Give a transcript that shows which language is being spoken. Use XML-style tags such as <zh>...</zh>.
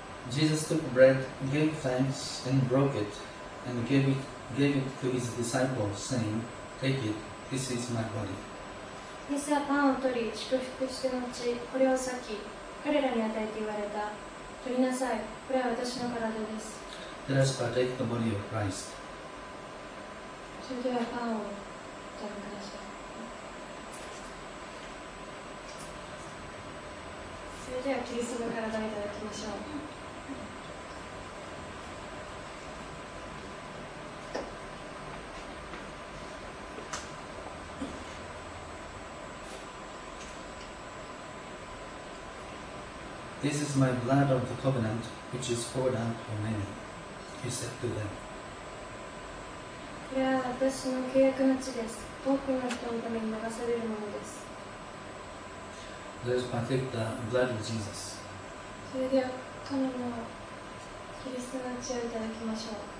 <en>Jesus took bread, gave thanks, and broke it, and gave it, gave it to his disciples, saying, Take it, this is my body.</en> <ja>イエスはパンを取り、祝福して持ち、これを裂き、彼らに与えて言われた。取りなさい、これは私の体です。</ja> <en>Let us partake the body of Christ.</en> <ja>それではパンを食べましょう。それではキリストの体をいただきましょう。</ja> <en>This is my blood of the covenant, which is poured out for many, he said to them.</en> <ja>これは私の契約の血です。多くの人のために流されるものです。</ja> <en>Let us partake the blood of Jesus.</en> <ja>それでは神のキリストの血をいただきましょう。</ja>